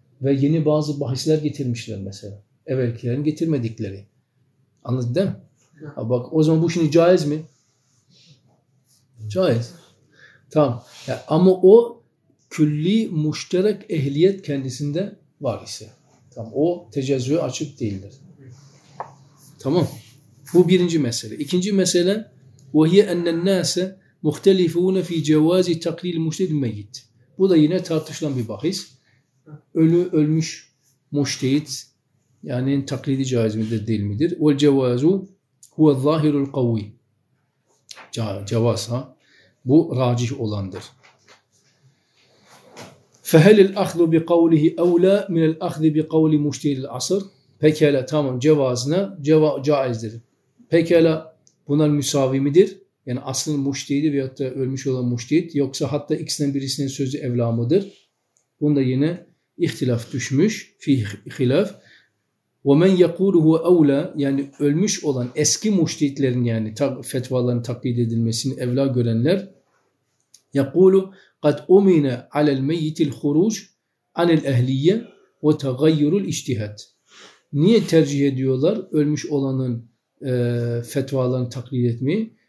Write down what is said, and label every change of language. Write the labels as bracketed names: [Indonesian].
[Turkish] Ve yeni bazı bahisler getirmişler mesela. Evvelkilerin getirmedikleri. Anladın değil mi? Ha bak, o zaman bu şimdi caiz mi? Caiz. Tamam. Yani, ama o külli müşterek ehliyet kendisinde var ise. Tamam, o tecezzüye açık değildir. Tamam. Bu birinci mesele. İkinci mesele [Arabic] وَهِيَ اَنَّ النَّاسَ مُخْتَلِفُونَ ف۪ي جَوَازِ تَقْلِيلِ مُشْتَدِ الْمَيِّتِ. [Turkish] Bu da yine tartışılan bir bahis. Ölü, ölmüş müştehit yani taklidi caiz midir, değil midir? [Arabic] وَالْجَوَازُ هُوَ الظَّاهِرُ الْقَوِي. [Turkish] Cevaz ha. Bu racih olandır. [Arabic] فَهَلِ الْأَخْذُ بِقَوْلِهِ اَوْلَى مِنَ الْأَخْذِ بِقَوْلِ مُشْتِهِ الْعَصَرِ. [Turkish] Pekala, tamam, cevazına caizdir. Pekala, bunlar müsavi midir? Yani aslın müştehidi veyahut da ölmüş olan müştehid, yoksa hatta ikisinden birisinin sözü evlâ mıdır? Bunda yine ihtilaf düşmüş, fîh-i hilâf. [Arabic] وَمَنْ يَقُولُهُ اَوْلَى. [Turkish] Yani ölmüş olan eski müştehidlerin yani fetvaların taklit edilmesini evlâ görenler, يَقُولُ [Arabic] قد أمن على الميت الخروج عن الأهلية وتغير الاجتهاد. [Turkish] Niye tercih ediyorlar ölmüş olanın fetvalarını taklit etmeyi?